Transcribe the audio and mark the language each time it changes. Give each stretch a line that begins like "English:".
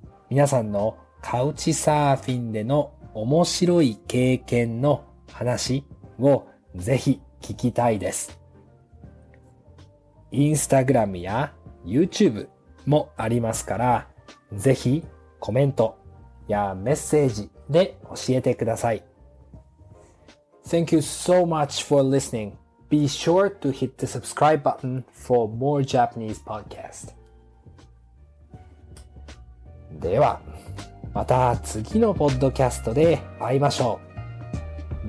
Japanese: 皆さんのカウチサーフィンでの面白い経験の話をぜひ聞きたいです。インスタグラムや YouTube もありますから、ぜひコメントやメッセージで教えてください。
English: Thank you so much for listening. Be sure to hit the subscribe button for more Japanese podcast.
Japanese: では、また次のポッドキャストで会いましょう。